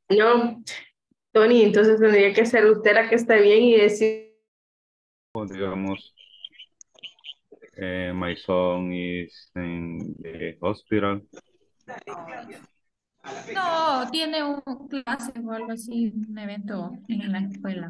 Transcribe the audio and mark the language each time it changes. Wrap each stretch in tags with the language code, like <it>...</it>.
<es>No, Tony, entonces tendría que ser usted la que está bien y decir.</es> <en>Well,</en> <es>digamos,</es> <en>my son is in the hospital.</en> <es>No, tiene un clase o algo así, un evento en la escuela.</es>